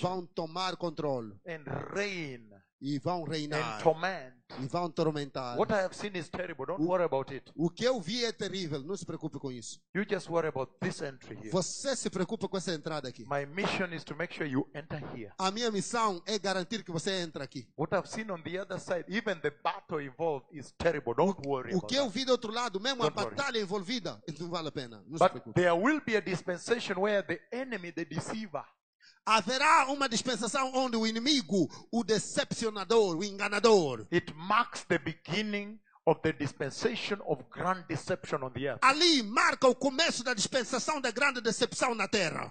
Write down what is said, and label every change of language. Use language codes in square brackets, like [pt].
[pt] vão tomar controle [en] and reign, [pt] e vão reinar [en] and torment, [pt] e vão tormentar. [en] What I have seen is terrible. Don't worry about it. [pt] O que eu vi é terrível. Não se preocupe com isso. [en] You just worry about this entry here. [pt] Você se preocupa com essa entrada aqui. [en] My mission is to make sure you enter here. [pt] A minha missão é garantir que você entre aqui. [en] What I've seen on the other side, even the battle involved is terrible. Don't worry. [pt] O que eu vi do outro lado, mesmo a batalha envolvida, não vale a pena. Não se preocupe. [en] But there will be a dispensation where the enemy, the deceiver. [pt] Haverá uma dispensação onde o inimigo, o decepcionador, o enganador. [en] It marks the beginning of the dispensation of grand deception on the earth. [pt] Ali marca o começo da dispensação da grande decepção na terra.